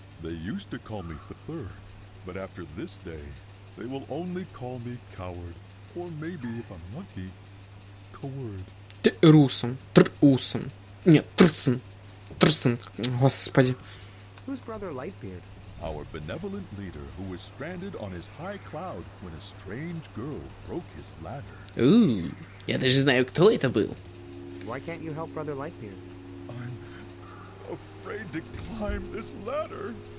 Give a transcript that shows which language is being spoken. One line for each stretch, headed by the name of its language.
English: They used to call me Fathur, but after this day, they will only call me Coward, or maybe, if I'm lucky, Coward.
Russian: Трусом, трусом. Нет, трсом. Трсом, господи.
English: Who's Brother Lightbeard? Our benevolent leader, who was stranded on his high cloud when a strange girl broke his ladder.
Russian: Ooh, я даже знаю, кто это был.
English: Why can't you help Brother Lightbeard? I'm afraid to climb this ladder.